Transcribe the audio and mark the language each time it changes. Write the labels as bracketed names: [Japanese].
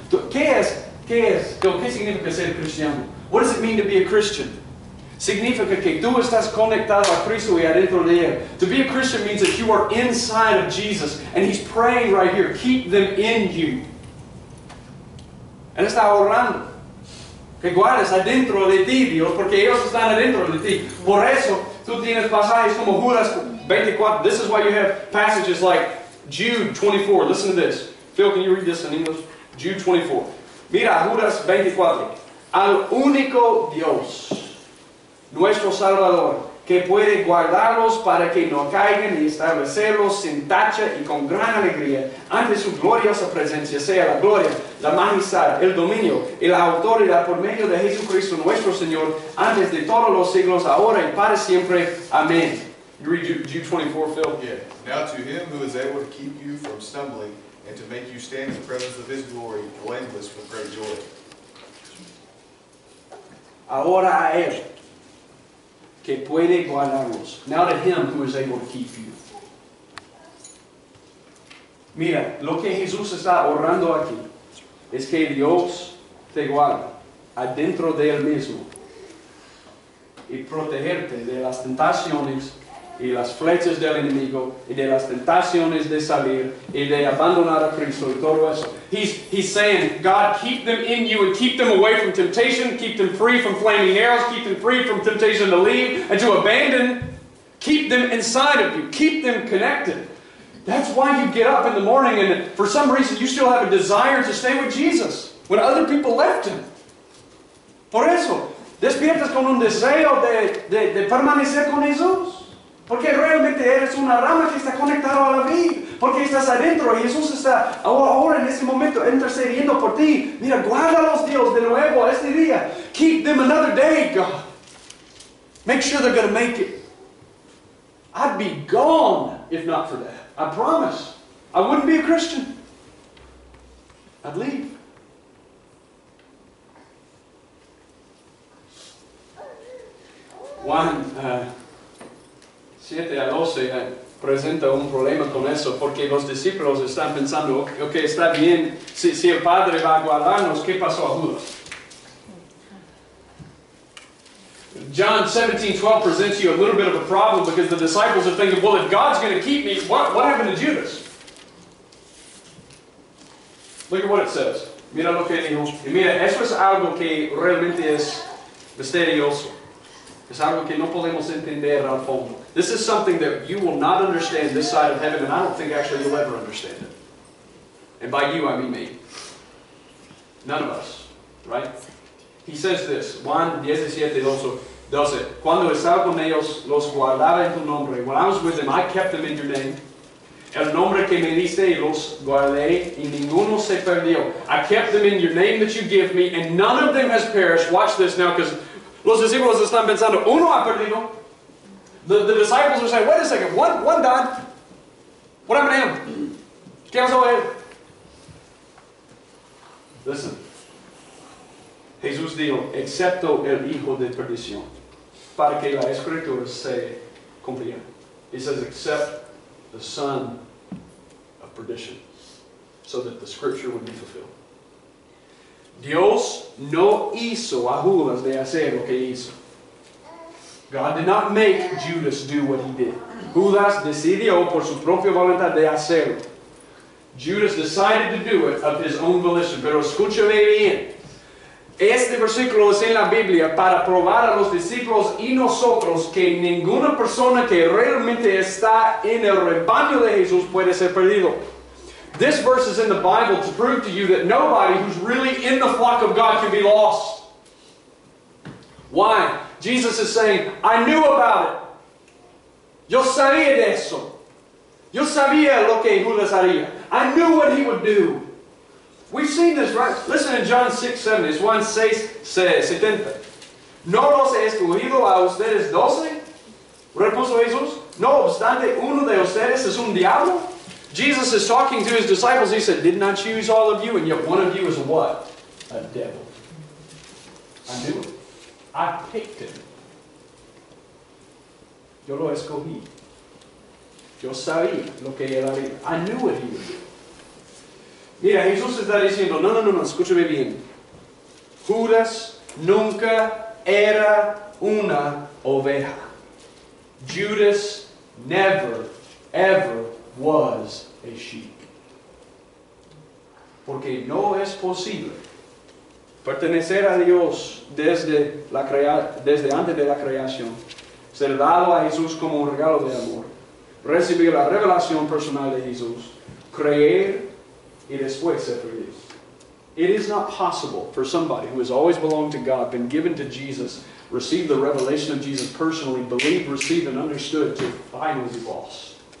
[Spanish] ¿Qué es? ¿Qué es? ¿Qué significa ser cristiano? [English] What does it mean to be a Christian? [Spanish] significa que tú estás conectado a Cristo y adentro de él. [English] To be a Christian means that you are inside of Jesus, and he's praying right here, keep them in you. [Spanish] Él está orando que guardes adentro de ti, Dios, porque ellos están adentro de ti. Por eso, tú tienes pasajes como Judas 24. [English] This is why you have passages like Jude 24. Listen to this. Phil, can you read this in English? Jude 24. [Spanish] Mira, Judas 24. Al único Dios, nuestro Salvador, que puede guardarlos para que no caigan y establecerlos sin tacha y con gran alegría ante su gloriosa presencia, sea la gloria, la majestad, el dominio y la autoridad por medio de Jesucristo nuestro Señor, antes de todos los siglos, ahora y para siempre. [English] Amén. Read Jude 24, Phil. Yeah. Now to him who is able to keep you from stumbling and to make you stand in the presence of his glory, blameless with great joy. [Spanish] Ahora a él. Que puede guardarlos. [English] Now to him who is able to keep you. [Spanish] Mira, lo que Jesús está orando aquí es que Dios te guarde adentro de él mismo y protegerte de las tentaciones y las flechas del enemigo y de las tentaciones de salir y de abandonar a Cristo y todo eso. [English] He's saying, God, keep them in you and keep them away from temptation. Keep them free from flaming arrows. Keep them free from temptation to leave and to abandon. Keep them inside of you. Keep them connected. That's why you get up in the morning and for some reason you still have a desire to stay with Jesus when other people left him. [Spanish] Por eso, despiertas con un deseo de permanecer con Jesús. Porque realmente eres una rama que está conectada a la vida. Porque estás adentro y Jesús está ahora en ese momento intercediendo por ti. Mira, guárdalos, Dios, de nuevo este día. [English] Keep them another day, God. Make sure they're going to make it. I'd be gone if not for that. I promise. I wouldn't be a Christian. I'd leave. [Spanish] One, 7 a 12 presenta un problema con eso, porque los discípulos están pensando, ok, está bien, si el Padre va a guardarnos, ¿qué pasó a Judas? [English] John 17, 12 presents you a little bit of a problem, because the disciples are thinking, well, if God's going to keep me, what happened to Judas? Look at what it says. [Spanish] Mira lo que dijo. Y mira, eso es algo que realmente es misterioso. Es algo que no podemos entender al fondo. [English] This is something that you will not understand this side of heaven, and I don't think actually you'll ever understand it. And by you, I mean me. None of us, right? He says this, Juan 17, 12. [Spanish] Cuando estaba con ellos, los guardaba en tu nombre. [English] When I was with them, I kept them in your name. [Spanish] El nombre que me diste, los guardé, y ninguno se perdió. [English] I kept them in your name that you give me, and none of them has perished. Watch this now, because [Spanish] los discípulos están pensando, uno ha perdido. [English] The disciples were saying, wait a second, one died. What happened to him? [Spanish] ¿Qué pasó a él? [English] Listen. [Spanish] Jesús dijo, excepto el hijo de perdición, para que la escritura se cumpliera. [English] He says, except the son of perdition, so that the scripture would be fulfilled. [Spanish] Dios no hizo a Judas de hacer lo que hizo. [English] God did not make Judas do what he did. [Spanish] Judas decidió por su propia voluntad de hacerlo. [English] Judas decided to do it of his own volition. [Spanish] Pero escúchame bien. Este versículo es en la Biblia para probar a los discípulos y nosotros que ninguna persona que realmente está en el rebaño de Jesús puede ser perdido. [English] This verse is in the Bible to prove to you that nobody who's really in the flock of God can be lost. Why? Jesus is saying, I knew about it. [Spanish] Yo sabía de eso. Yo sabía lo que Judas haría. [English] I knew what he would do. We've seen this, right? Listen in John 6, 7. It's Juan 6, 70. [Spanish] No los he escogido a ustedes 12, repuso Jesús. No obstante, uno de ustedes es un diablo. [English] Jesus is talking to his disciples. He said, didn't I choose all of you? And yet one of you is a what? A devil. I knew it. I picked him. [Spanish] Yo lo escogí. Yo sabía lo que él haría. [English] I knew what he would do. [Spanish] Mira, Jesús está diciendo, no, escúchame bien. Judas nunca era una oveja. [English] Judas never, ever was a sheep. [Spanish] Porque no es posible pertenecer a Dios desde antes de la creación, ser dado a Jesús como un regalo de amor, recibir la revelación personal de Jesús, creer y después ser feliz. [English] It is not possible for somebody who has always belonged to God, been given to Jesus, received the revelation of Jesus personally, believed, received, and understood to finally be lost.